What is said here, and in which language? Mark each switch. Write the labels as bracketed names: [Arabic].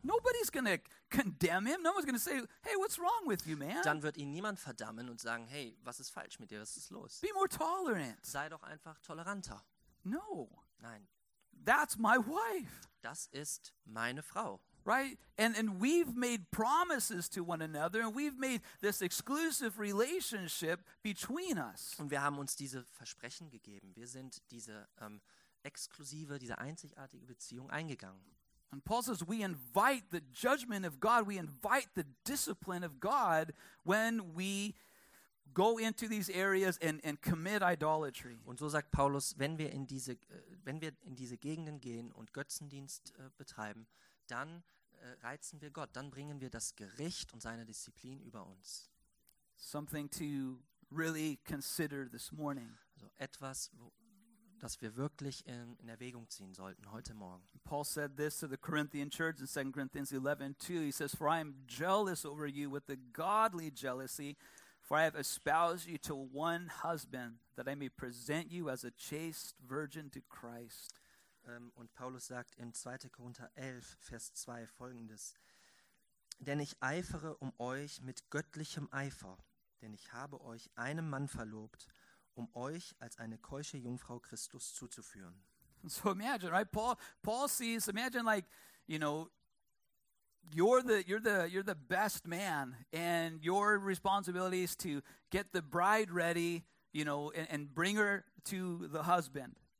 [English] nobody's gonna condemn him. No one's gonna say, hey, what's wrong with you, man? [German] Dann wird ihn niemand verdammen und sagen, hey, was ist falsch mit dir? Was ist los? [English] Be more tolerant. [German] Sei doch einfach toleranter. [English] No. [German] Nein. [English] That's my wife. [German] Das ist meine Frau. [English] Right? And we've made promises to one another, and we've made this exclusive relationship between us. [German] Und wir haben uns diese Versprechen gegeben. Wir sind diese exklusive, diese einzigartige Beziehung eingegangen. [English] And Paul says, we invite the judgment of God, we invite the discipline of God when we go into these areas and commit idolatry. [German] Und so sagt Paulus, wenn wir in diese Gegenden gehen und Götzendienst betreiben, dann reizen wir Gott, dann bringen wir das Gericht und seine Disziplin über uns. [English] Something to really consider this morning. [German] Also etwas, dass wir wirklich in Erwägung ziehen sollten heute Morgen. [English] Paul said this to the Corinthian church in 2 Corinthians 11:2. He says, for I am jealous over you with a godly jealousy, for I have espoused you to one husband, that I may present you as a chaste virgin to Christ. [German] Und Paulus sagt in 2. Korinther 11, Vers 2 folgendes. Denn ich eifere um euch mit göttlichem Eifer, denn ich habe euch einem Mann verlobt, um euch als eine keusche Jungfrau Christus zuzuführen. [English] So imagine, right? Paul sees, imagine like, you know, you're the best man and your responsibility is to get the bride ready, you know, and bring her to the husband.